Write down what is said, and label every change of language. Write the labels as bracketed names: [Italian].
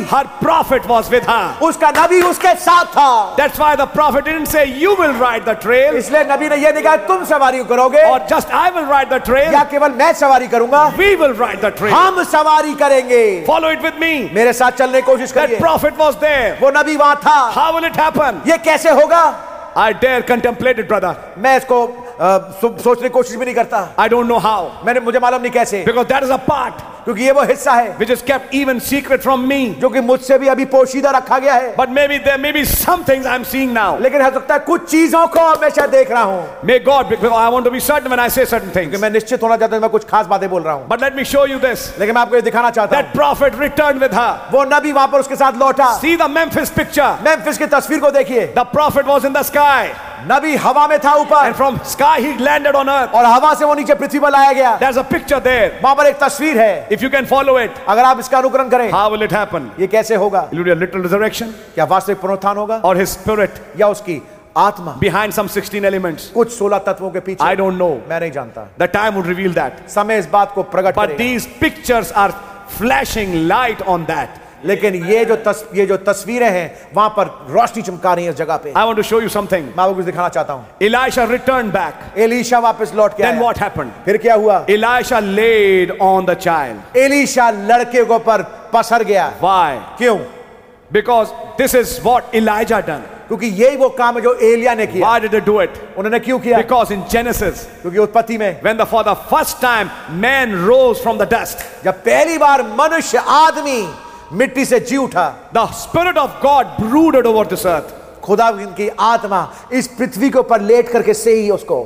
[English] her prophet was with her. [Hindi] उसका नबी उसके साथ था. [English] That's why the prophet didn't say, "You will ride the trail." [Hindi] इसलिए नबी ने ये नहीं कहा, तुम सवारी करोगे. [English] Or just I will ride the trail. [Hindi] या केवल मैं सवारी करूँगा. [English] We will ride the trail. [Hindi] हम सवारी करेंगे. [English] Follow it with me. [Hindi] मेरे साथ चलने कोशिश करिए. [English] That prophet was there. [Hindi] वो नबी वहाँ था. [English] How will it happen? [Hindi] ये कैसे होगा? [English] I dare contemplate it, brother. [Hindi] मैं इसको सोचने कोशिश भी नहीं करता. [English] I don't know how. [Hindi] मैंने मुझे मालूम नहीं कैसे. [English] Because that is a part. [Hindi] क्योंकि ये वो हिस्सा है. [English] Which is kept even secret from me. [Hindi] जो कि मुझसे भी अभी पोशीदा रखा गया है. [English] But maybe there may be some things I'm seeing now. [Hindi] लेकिन हो सकता है कुछ चीजों को मैं शायद देख रहा हूँ. [English] May God, because I want to be certain when I say certain things. [Hindi] मैं निश्चित होना चाहता हूँ मैं कुछ खास बातें बोल रहा हूँ. [English] But let me show you this. [Hindi] लेकिन मैं आपको ये दिखाना चाहता हूँ. [English] That prophet returned with her. [Hindi] वो नबी वहाँ पर उसके साथ लौटा. [English] See the Memphis picture. [Hindi] Memphis की तस्वीर को देखिए. [English] The prophet was in the sky. [Hindi] नबी हवा में था ऊपर. [English] And from sky he landed on earth. [Hindi] और हवा से वो नीचे पृथ्वी पर लाया गया. [English] There's a picture there. [Hindi] वहाँ पर एक तस्वीर है. [English] If you can follow it. [Hindi] अगर आप इसका अनुकरण करें. [English] How will it happen? [Hindi] ये कैसे होगा? [English] It will be a literal resurrection. [Hindi] क्या वास्तविक पुनरुत्थान होगा? [English] Or his spirit. [Hindi] या उसकी आत्मा. [English] Behind some 16 elements. [Hindi] कुछ 16 तत्वों के पीछे. [English] I don't know. [Hindi] मैं नहीं जानता. [English] The time will reveal that. [Hindi] समय इस बात को प्रकट करेगा. [English] But these pictures are flashing light on that. [Hindi] लेकिन ये जो तस्वीरें हैं वहां पर रोशनी चमका रही है उस जगह पे. [English] I want to show you something. [Hindi] मैं आपको कुछ दिखाना चाहता हूं. [English] Elisha returned back. [Hindi] Elisha वापस लौट के आया. [English] Then what happened? [Hindi] फिर क्या हुआ? [English] Elisha laid on the child. [Hindi] Elisha लड़के को पर पसर गया. [English] Why? [Hindi] क्यों? [English] Because this is what Elijah done. [Hindi] क्योंकि ये वो काम है जो एलिया ने किया. [English] Why did they do it? [Hindi] उन्होंने क्यों किया? [English] Because in Genesis, [Hindi] क्योंकि उत्पत्ति में, [English] when the for the first time man rose from the dust, [Hindi] जब पहली बार मनुष्य आदमी मिट्टी से जी उठा. [English] The spirit of God brooded over this earth. [Hindi] खुदा की आत्मा इस पृथ्वी के ऊपर लेट करके सही उसको.